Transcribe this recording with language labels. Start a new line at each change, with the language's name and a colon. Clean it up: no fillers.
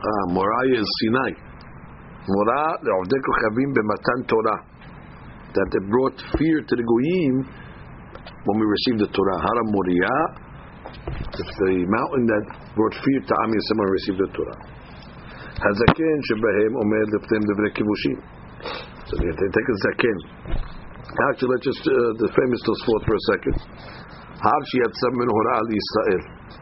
English: Moriya is Sinai.
Hebrew: Mora le'ovdei kochavim b'matan Torah.
English: That they brought fear to the Goyim when we received the Torah. Har Moriya, the mountain that brought fear to Am Yisrael when we received the Torah.
Hebrew: הזקן שבהם עומד לפתם דברי כיבושים.
English: So you take a זקן. Actually, let's just the famous Tosfot for a second.
Hebrew: הר שיצא ממנו הוראה לישראל.